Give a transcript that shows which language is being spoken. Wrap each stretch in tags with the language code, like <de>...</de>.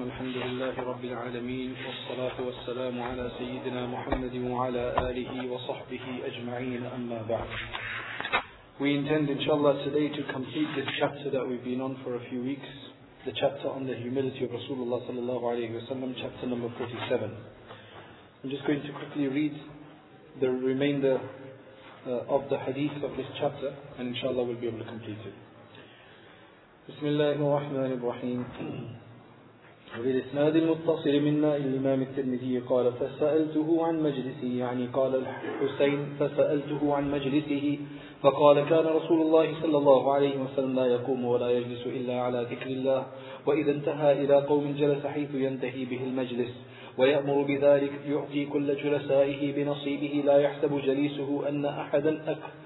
<ar>الحمد لله رب العالمين، والصلاة والسلام على سيدنا محمد وعلى آله وصحبه أجمعين، أما بعد.</ar> <en>We intend inshallah today to complete this chapter that we've been on for a few weeks, the chapter on the humility of Rasulullah sallallahu alayhi wa sallam, chapter number 47. I'm just going to quickly read the remainder of the hadith of this chapter and inshallah we'll be able to complete it.</en> <ar>بسم الله الرحمن الرحيم. وبالإسناد المتصل منا الإمام الترمذي قال فسألته عن مجلسه، يعني قال الحسين فسألته عن مجلسه فقال كان رسول الله صلى الله عليه وسلم لا يقوم ولا يجلس إلا على ذكر الله، وإذا انتهى إلى قوم جلس حيث ينتهي به المجلس ويأمر بذلك، يعطي كل جلسائه بنصيبه، لا يحسب جليسه أن أحدا</ar>